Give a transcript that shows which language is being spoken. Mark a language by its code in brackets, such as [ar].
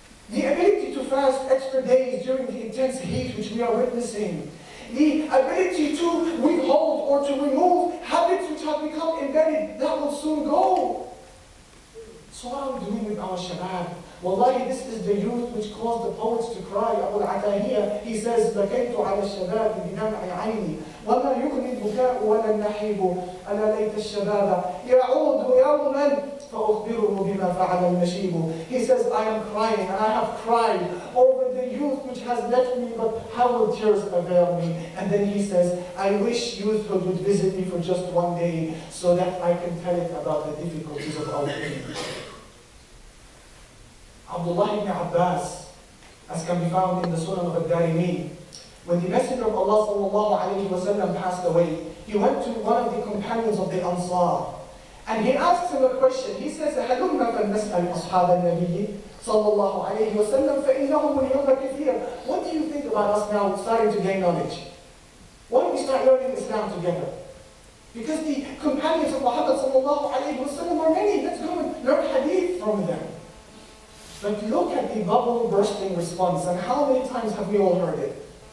[en] The ability to fast extra days during the intense heat which we are witnessing. The ability to withhold or to remove habits which have become embedded, that will soon go. So what are we doing with our shabab? Wallahi, this is the youth which caused the poets to cry. Abu al-Atahiyya, he says, [ar] لَكَيْتُ عَلَى الشَّبَابِ بِنَمْعِ عَيْنِي وَمَا يُغْنِي الْبُكَاءُ وَلَا النَّحِيبُ أَلَا لَيْتَ الشَّبَابَ يَعُودُ يَوْمًا فَأُخْبِرُهُ بِمَا فَعَلَ الْمَشِيبُ. [en] He says, I am crying, I have cried over the youth which has left me, but how will tears avail me? And then he says, I wish youthhood would visit me for just one day so that I can tell it about the difficulties of our pain. Abdullah ibn Abbas, as can be found in the Sunan of Ad-Darimi, when the Messenger of Allah sallallahu alayhi wa sallam passed away, he went to one of the companions of the Ansar, and he asked him a question. He says, [ar] هَلُمَّ فَلْمَسْأَلْ أَصْحَابَ النَّبِيِّ sallallahu alayhi wa sallam فَإِنَّهُمْ الْيَوْمَ كَثِيرٌ. [en] What do you think about us now starting to gain knowledge? Why don't we start learning Islam together? Because the companions of Muhammad sallallahu alayhi wa sallam are many. Let's go and learn hadith from them. But look at the bubble bursting response, and how many times have we all heard it?